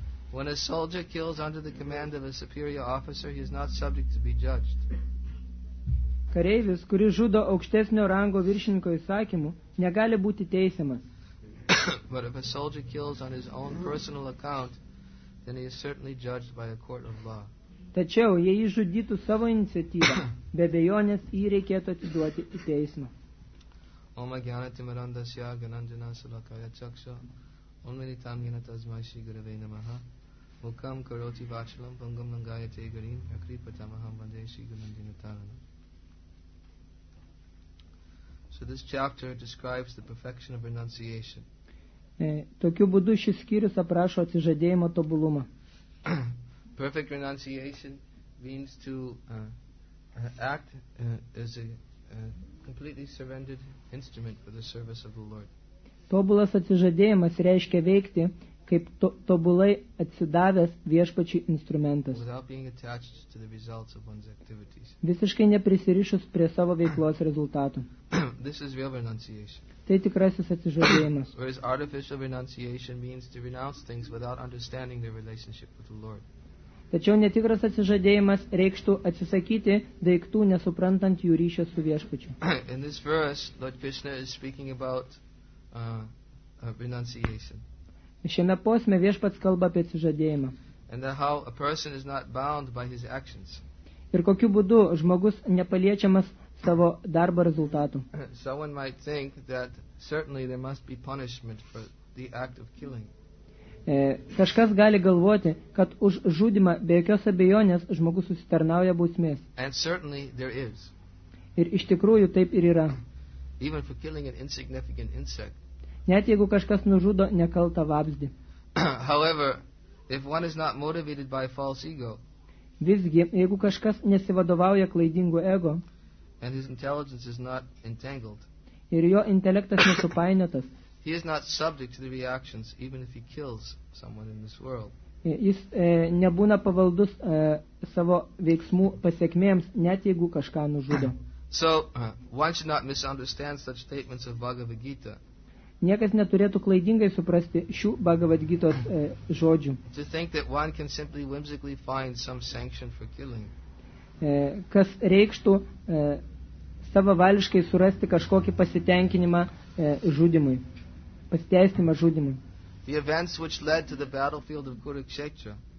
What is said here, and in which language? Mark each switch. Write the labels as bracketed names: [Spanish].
[English] When a soldier kills under the command of a superior officer, he is not subject to be judged. [Lithuanian] Kareivis, kuris žudo aukštesnio rango viršininko įsakymu, negali būti teisiamas. [English] But if a soldier kills on his own personal account, then he is certainly judged by a court of law. [Lithuanian] Tačiau, jei jis žudytų savo iniciatyvą, be abejonės jį reikėtų atiduoti į teismą. [Sanskrit] Om Agyanati Marandasya Ganandana Salakaya Chaksha Om Minitam Ginatazmai Shri Gurave Namaha Mukam Karoti Vachalam Pangam Nangaya Tegarim Yakripatamaham Vande Shri Ganandana Tarana. [English] So this chapter describes the perfection of renunciation. [Lithuanian] Tokiu būdu šis skyrius aprašo atsižadėjimo tobulumą. [English] Perfect renunciation means to act as a completely surrendered instrument for the service of the Lord. [Lithuanian] Tobulas atsižadėjimas reiškia veikti kaip tobulai atsidavęs viešpačiui instrumentas. [English] Without being attached to the results of one's activities. [Lithuanian] Visiškai neprisirišus prie savo veiklos rezultatų. [English] This is real renunciation. [Lithuanian] Tai tikrasis atsižadėjimas. [English] Whereas artificial renunciation means to renounce things without understanding their relationship with the Lord. [Lithuanian] Tačiau netikras atsižadėjimas reikštų atsisakyti daiktų, nesuprantant jų ryšio su viešpačiu. [English] In this verse, Lord Krishna is speaking about renunciation. [Lithuanian] Šiame posme viešpats kalba apie atsižadėjimą. [English] And how a person is not bound by his actions. [Lithuanian] Ir kokiu būdu žmogus nepaliečiamas savo darbo rezultatų. [English] Someone might think that certainly there must be punishment for the act of killing. [Lithuanian] Kažkas gali galvoti, kad už žudimą be jokios abejonės žmogus susitarnauja bausmės. [English] And certainly there is. [Lithuanian] Ir iš tikrųjų taip ir yra. [English] Even for killing an insignificant insect. [Lithuanian] Net jeigu kažkas nužudo nekaltą vabzdį. [English] However, if one is not motivated by false ego. [Lithuanian] Visgi, jeigu kažkas nesivadovauja klaidingu ego. [English] And his intelligence is not entangled. [Lithuanian] Ir jo intelektas nesupainiotas. [English] He is not subject to the reactions, even if he kills someone in this world. [Lithuanian] Jis nebūna pavaldus savo veiksmų pasekmėms, net jeigu kažką nužudo. [English] So, one should not misunderstand such statements of Bhagavad Gita. [Lithuanian] Niekas neturėtų klaidingai suprasti šių Bhagavad Gitos žodžių. [English] To think that one can simply whimsically find some sanction for killing. [Lithuanian] Kas reikštų savavališkai surasti kažkokį pasitenkinimą žudimui. Pasiteisnimą žudimui. [English] The events which led to the battlefield of Kurukshetra.